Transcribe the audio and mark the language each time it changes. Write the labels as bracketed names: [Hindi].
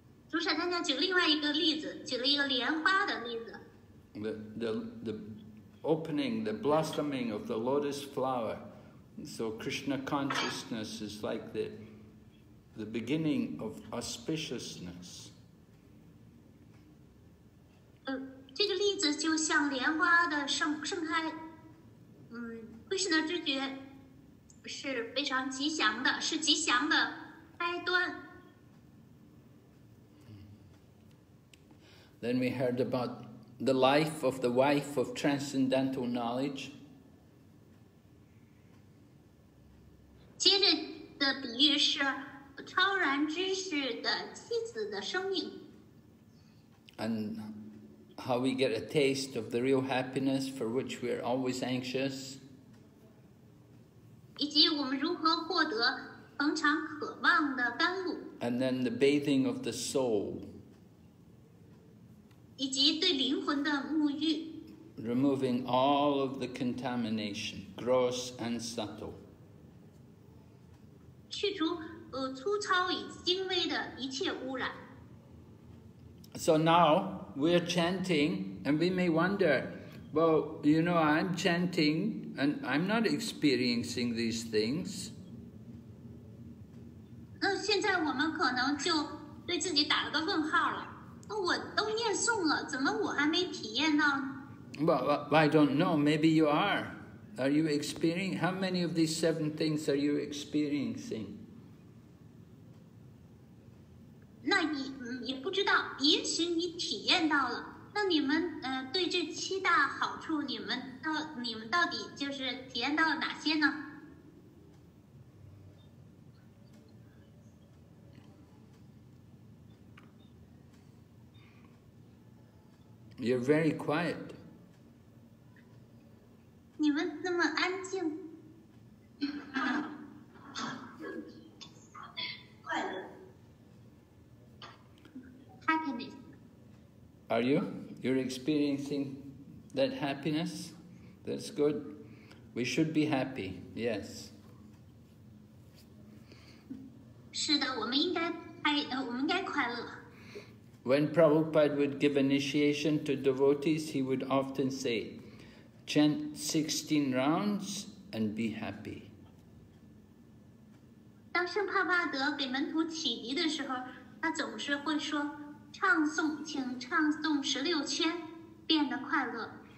[Chinese] 主舍参加举另外一个例子，举了一个莲花的例子。 [English] The opening, the blossoming of the lotus flower. So Krishna consciousness is like the beginning of auspiciousness. [Chinese] 这个例子就像莲花的盛开，Krishna 之觉。是非常吉祥的，是吉祥的开端。 [English] Then we heard about the life of the wife of transcendental knowledge. [Chinese] 接着的比喻是超然知识的妻子的生命。 [English] And how we get a taste of the real happiness for which we are always anxious. [Chinese] 以及我们如何获得恒常渴望的甘露 [English] ，and then the bathing of the soul， [Chinese] 以及对灵魂的沐浴 [English] ，removing all of the contamination, gross and subtle， [Chinese] 去除粗糙与精微的一切污染。 [English] So now we are chanting, and we may wonder. Well, you know, I'm chanting, and I'm not experiencing these things. [Chinese] 那现在我们可能就对自己打了个问号了。我都念诵了，怎么我还没体验呢？ [English] Well, I don't know. Maybe you are. Are you experiencing? How many of these seven things are you experiencing? [Chinese] 那你也不知道，也许你体验到了。那你们对这七大好处，你们到底就是体验到了哪些呢？ [English] You're very quiet. [Chinese] 你们那么安静。快乐。 [English] Happiness. Are you? You're experiencing that happiness? That's good. We should be happy, yes. [Chinese] 是的，我们应该我们该快乐。 [English] When Prabhupada would give initiation to devotees, he would often say, chant 16 rounds and be happy. [Chinese] 当圣帕巴德给门徒启迪的时候，他总是会说唱诵，请唱诵十六圈，变得快乐。